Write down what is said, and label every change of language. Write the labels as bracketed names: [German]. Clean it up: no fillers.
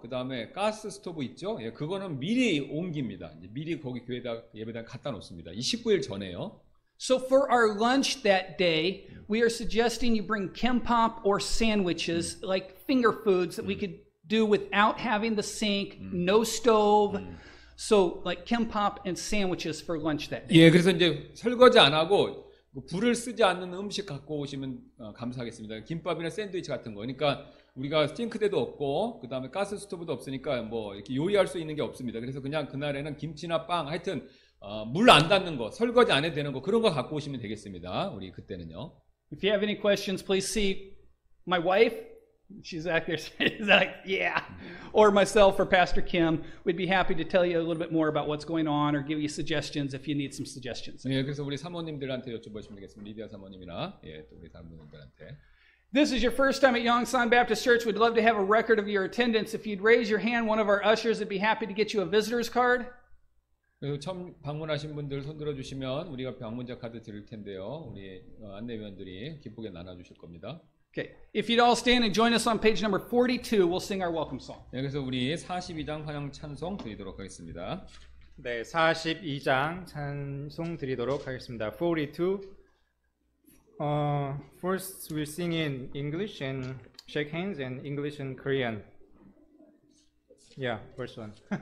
[Korean] 그다음에 가스 스토브 있죠? 예, 그거는 미리 옮깁니다. 이제 미리 거기 교회다 예배당 갖다 놓습니다. 29일 전에요. [English] So for our lunch that day, we are suggesting you bring kimbap or sandwiches like finger foods that we could do without having the sink, no stove. So like kimbap and sandwiches for lunch that day. [Korean] 예, 그래서 이제 설거지 안 하고 불을 쓰지 않는 음식 갖고 오시면 감사하겠습니다. 김밥이나 샌드위치 같은 거. 그러니까 우리가 싱크대도 없고 그다음에 가스 스토브도 없으니까 뭐 이렇게 요리할 수 있는 게 없습니다. 그래서 그냥 그날에는 김치나 빵 하여튼 물 안 닿는 거, 설거지 안 해도 되는 거 그런 거 갖고 오시면 되겠습니다. 우리 그때는요. [English] If you have any questions, please see my wife. She's out there. She's like, yeah. Or myself or Pastor Kim. We'd be happy to tell you a little bit more about what's going on or give you suggestions if you need some suggestions. [Korean] 예, 그래서 우리 사모님들한테 여쭤보시면 되겠습니다. 리디아 사모님이나 예, 또 우리 다른 분들한테. [English] This is your first time at Yongsan Baptist Church. We'd love to have a record of your attendance. If you'd raise your hand, one of our ushers would be happy to get you a visitor's card. [Korean] 처음 방문하신 분들 손 들어주시면 우리가 방문자 카드 드릴 텐데요. 우리 안내위원들이 기쁘게 나눠주실 겁니다. [English] Okay. If you'd all stand and join us on page number 42, we'll sing our welcome song. [Korean] 네, 그래서 우리 42장 환영 찬송 드리도록 하겠습니다. 네, 42장 찬송 드리도록 하겠습니다. [English] 42. First we'll sing in English and shake hands in English and Korean. Yeah, first one.